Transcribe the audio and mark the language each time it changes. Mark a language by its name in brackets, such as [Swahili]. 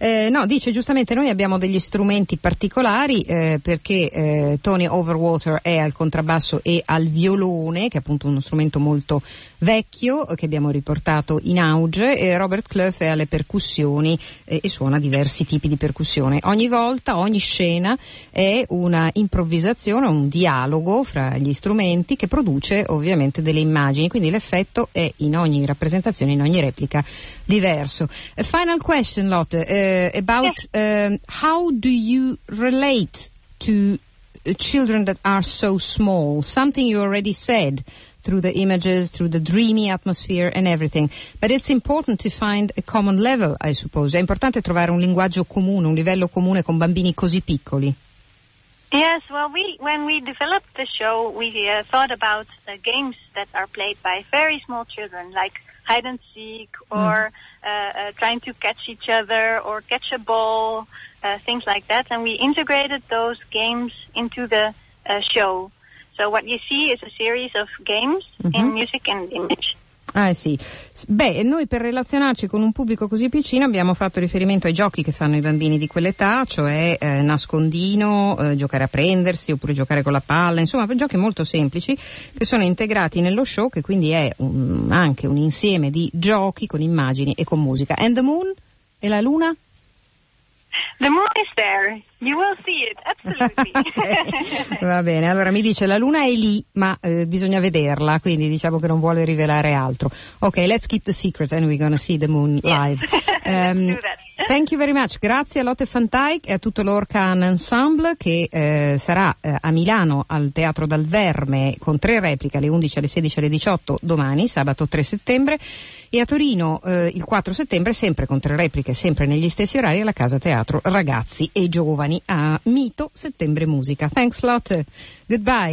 [Italian] No, dice giustamente, noi abbiamo degli strumenti particolari perché Tony Overwater è al contrabbasso e al violone, che è appunto uno strumento molto vecchio che abbiamo riportato in auge, e Robert Clough è alle percussioni e suona diversi tipi di percussione. Ogni volta, ogni scena è una improvvisazione, un dialogo fra gli strumenti che produce ovviamente delle immagini, quindi l'effetto è in ogni rappresentazione, in ogni replica, diverso. [English] A final question, Lotte, about how do you relate to children that are so small? Something you already said through the images, through the dreamy atmosphere and everything. But it's important to find a common level, I suppose. [Italian] È importante trovare un linguaggio comune, un livello comune con bambini così piccoli. [English] Yes, well, when we developed the show, we thought about the games that are played by very small children, like hide and seek, or trying to catch each other, or catch a ball, things like that. And we integrated those games into the show. So So what you see is a series of games in music and image. [Italian] Ah sì, beh, noi per relazionarci con un pubblico così piccino abbiamo fatto riferimento ai giochi che fanno i bambini di quell'età, cioè nascondino, giocare a prendersi oppure giocare con la palla, insomma giochi molto semplici che sono integrati nello show, che quindi è anche un insieme di giochi con immagini e con musica. [English] And the moon? [Italian] E la luna? [English] The moon is there, you will see it, absolutely. Okay. [Italian] Va bene, allora mi dice la luna è lì, ma bisogna vederla, quindi diciamo che non vuole rivelare altro. [English] Ok, let's keep the secret and we're gonna see the moon live. Thank you very much, [Italian] grazie a Lotte van Dijk e a tutto l'Orcan Ensemble che sarà a Milano al Teatro Dal Verme con tre repliche alle 11, alle 16, alle 18 domani, sabato 3 settembre, e a Torino il 4 settembre sempre con tre repliche, sempre negli stessi orari alla Casa Teatro Ragazzi e Giovani a Mito Settembre Musica. [English] Thanks Lotte, goodbye.